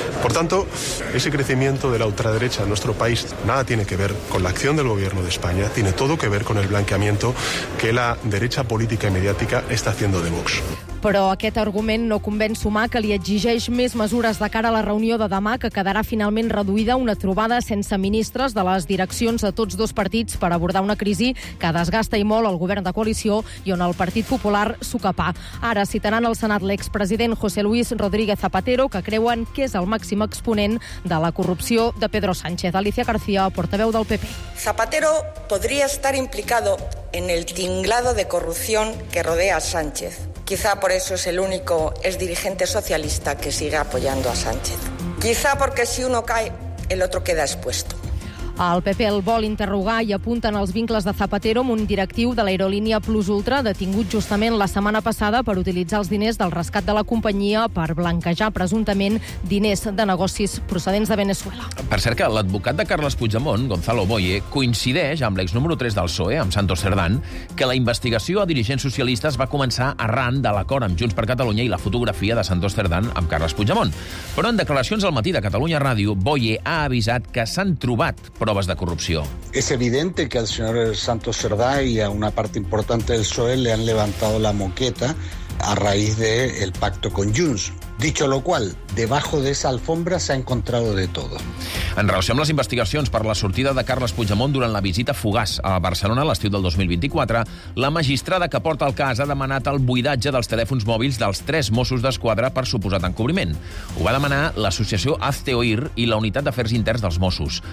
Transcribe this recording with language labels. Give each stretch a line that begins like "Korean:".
Spanish: Por tanto, ese crecimiento de la ultraderecha en nuestro país nada tiene que ver con la acción del gobierno de España, tiene todo que ver con el blanqueamiento que la derecha política y mediática está haciendo de Vox.
Catalan: Però aquest argument no convenç Sumar, que li exigeix més mesures de cara a la reunió de demà, que quedarà finalment reduïda a una trobada sense ministres de les direccions de tots dos partits per abordar una crisi que desgasta i molt el govern de coalició i on el Partit Popular s'ocapà. Ara citaran al Senat l'expresident José Luis Rodríguez Zapatero, que creuen que és el màxim exponent de la corrupció de Pedro Sánchez. Alicia García, portaveu del PP.
Spanish: Zapatero podría estar implicado en el tinglado de corrupción que rodea a Sánchez. Quizá por eso es el único exdirigente socialista que sigue apoyando a Sánchez. Quizá porque si uno cae, el otro queda expuesto.
Catalan: El PP el vol interrogar i apunten els vincles de Zapatero amb un directiu de l'aerolínia Plus Ultra, detingut justament la setmana passada per utilitzar els diners del rescat de la companyia per blanquejar presumptament diners de negocis procedents de Venezuela. Per cert, que l'advocat de Carles Puigdemont, Gonzalo Boye, coincideix amb l'ex número 3 del PSOE, amb Santos Cerdán, que la investigació a dirigents socialistes va començar arran de l'acord amb Junts per Catalunya i la fotografia de Santos Cerdán amb Carles Puigdemont. Però en declaracions al matí de Catalunya Ràdio, Boye ha avisat que s'han trobat proves de corrupció.
Spanish: Es evidente que al señor Santos Cerdá y a una parte importante del PSOE le han levantado la moqueta a raíz del pacto con Junts. Dicho lo cual, debajo de esa alfombra se ha encontrado de todo.
Catalan: En relació amb les investigacions per la sortida de Carles Puigdemont durant la visita fugaç a Barcelona l'estiu del 2024, la magistrada que porta el cas ha demanat el buidatge dels telèfons mòbils dels tres Mossos d'Esquadra per suposat encobriment. Ho va demanar l'associació Azteoir i la Unitat d'Afers Interns dels Mossos.